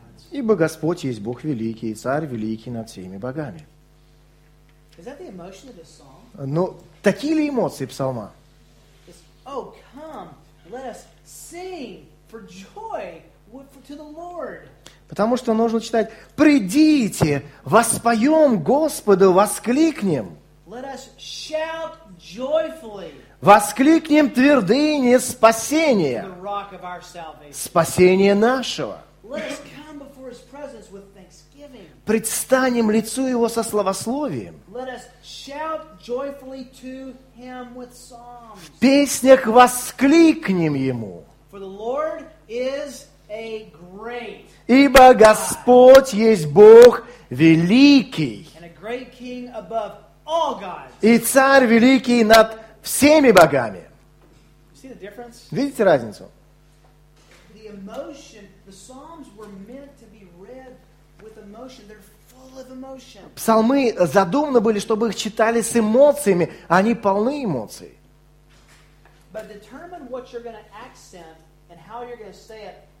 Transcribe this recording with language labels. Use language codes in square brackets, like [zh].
[ru] Ибо Господь есть Бог великий, и Царь великий над всеми богами. [en] Is that the emotion of this song? [ru] Ну, такие ли эмоции псалма? [en] Oh, come, let us sing for joy to the Lord. [ru] Потому что нужно читать, придите, воспоем Господу, воскликнем. [en] Let us shout joyfully. [ru] Воскликнем твердыни спасения. [en] The rock of our salvation. [ru] Спасение нашего. [en] Let us come before His presence with thanksgiving. [ru] Предстанем лицу Его со словословием. [en] Let us shout joyfully to Him with songs. [ru] В песнях воскликнем Ему. [en] For the Lord is a great God. [ru] Ибо Господь есть Бог великий. [en] And a great King above all gods. [ru] И Царь великий над всеми богами. [en] You see the difference? [ru] Видите разницу? [en] The emotion, the psalms were meant to be read with emotion. They're full of emotion. [ru] Псалмы задуманы были, чтобы их читали с эмоциями. Они полны эмоций. [en] But determine what you're going to accent and how you're going to say it